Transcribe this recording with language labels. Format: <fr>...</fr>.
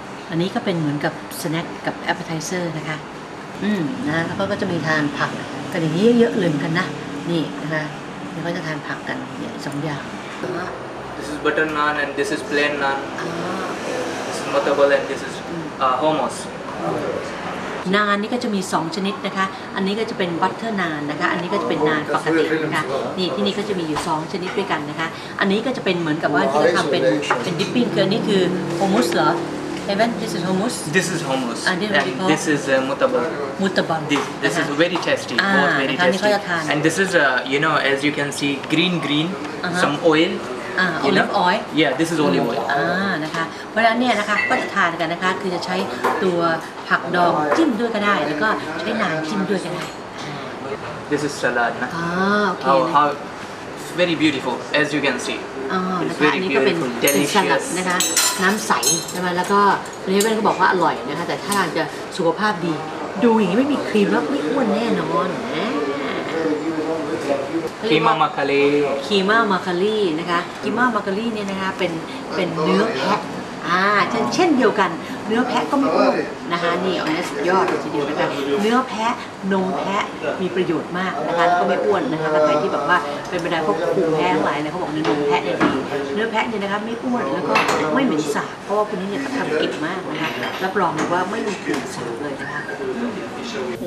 <th>อันนี้ก็เป็นเหมือนกับสแน็คกับแอปเปอร์ไทเซอร์นะคะนะแล้วก็จะมีทานผักกันอย่างนี้เยอะเลยกันนะนี่นะคะเดี๋ยวก็จะทานผักกันเนี่ยสองอย่าง</th> <en>this is butter naan and this is plain naan this is mutabbal and this isHummus.</en> <th>นานนี่ก็จะมี2ชนิดนะคะอันนี้ก็จะเป็นบัตเตอร์นานนะคะอันนี้ก็จะเป็นนานปกตินะคะนี่ที่นี่ก็จะมีอยู่2ชนิดด้วยกันนะคะอันนี้ก็จะเป็นเหมือนกับว่าที่เราทำเป็นดิปปิ้งคืออันนี้คือฮอมุสเหรอเฮเวน</th> <en>this is hummus this is hummus and this is mutabbal mutabbal this is very tasty both very tasty and this is you know as you can see green some oil olive oil yeah this is olive oil</en> <th>นะคะเพราะฉะนั้นเนี่ยนะคะก็จะทานกันนะคะคือจะใช้ตัวผักดองจิ้มด้วยก็ได้แล้วก็ใช้นานจิ้มด้วยก็ได้</th> <en>This is salad</en> <th>นะ โอเค</th> <en>how very beautiful as you can see</en> <th>นะคะอันนี้ก็เป็นสลัดนะคะน้ำใสใช่ไหมแล้วก็เฮเว่นก็บอกว่าอร่อยนะคะแต่ถ้าทานจะสุขภาพดีดูอย่างนี้ไม่มีครีมแล้วไม่อ้วนแน่นอนนะ คีมามาคาลี คีมามาคาลีนะคะคีมามาคาลีเนี่ยนะคะเป็นเนื้อแพะเช่นเดียวกันเนื้อแพะก็ไม่อ้วนนะคะนี่อันนี้สุดยอดทีเดียวนะคะเนื้อแพะนมแพะมีประโยชน์มากนะคะแล้วก็ไม่อ้วนนะคะใครที่แบบว่าเป็นบรรดาพวกภูมิแพ้อะไรเนี่ยเขาบอกเนื้อแพะดีเนื้อแพะเนี่ยนะคะไม่อ้วนแล้วก็ไม่เหม็นสาบเพราะว่าคนนี้เนี่ยทำกิจมากนะคะรับรองเลยว่าไม่มีกลิ่นสาบเลยนะคะโอ</th>